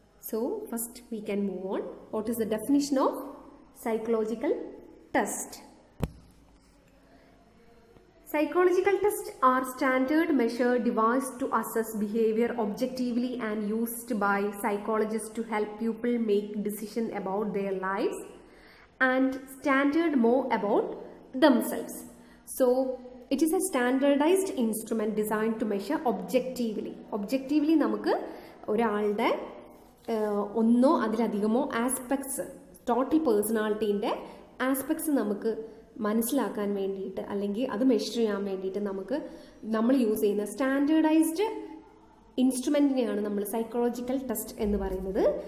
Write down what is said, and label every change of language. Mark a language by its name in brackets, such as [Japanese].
[English] So first we can move on. What is the definition of psychological test? Psychological tests are standard measure devised to assess behavior objectively and used by psychologists to help people make decision about their lives and standard more about themselves. So it is a standardized instrument designed to measure objectively. [Malayalam] Objectively namak oralde onno adiladhigamo aspects total personality inde aspects namak മനസ്സിലാക്കാൻ വേണ്ടിയിട്ട് അല്ലെങ്കിൽ അത് measure ചെയ്യാൻ വേണ്ടിയിട്ട് നമുക്ക് നമ്മൾ use ചെയ്യുന്ന standardised ഇൻസ്ട്രുമെൻറ്റിനെയാണ് നമ്മൾ സൈക്കോളജിക്കൽ ടെസ്റ്റ് എന്ന് പറയുന്നത്.